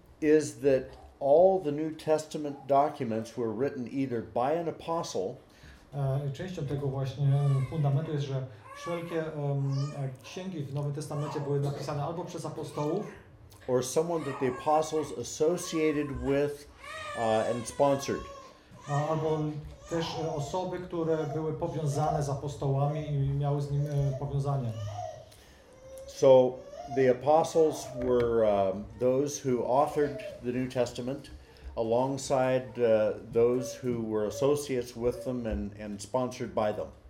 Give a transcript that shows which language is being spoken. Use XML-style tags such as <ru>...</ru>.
<en>is that all the New Testament documents were written either by an apostle.</en> <pl>Częścią tego właśnie fundamentu jest, że wszelkie księgi w Nowym Testamencie były napisane albo przez apostołów,</pl> <en>or someone that the apostles associated with and sponsored.</en> <pl>Albo też osoby, które były powiązane z apostołami i miały z nim powiązanie.</pl> <en>So the apostles were those who authored the New Testament alongside those who were associates with them and sponsored by them.</en>